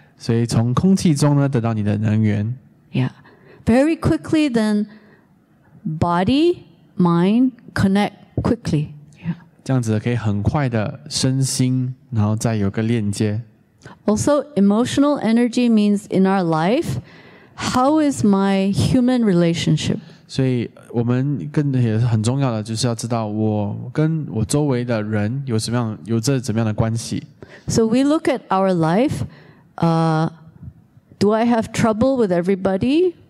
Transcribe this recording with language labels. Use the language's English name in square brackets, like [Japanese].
[Chinese] 所以从空气中呢得到你的能源。 [English] Yeah, very quickly then body, mind connect quickly. Yeah. [Chinese] 这样子可以很快的身心，然后再有个链接。 [English] Also, emotional energy means in our life, how is my human relationship? [Chinese] 所以我们跟也很重要的就是要知道我跟我周围的人有这怎么样的关系。 [English] So we look at our life, do I have trouble with everybody?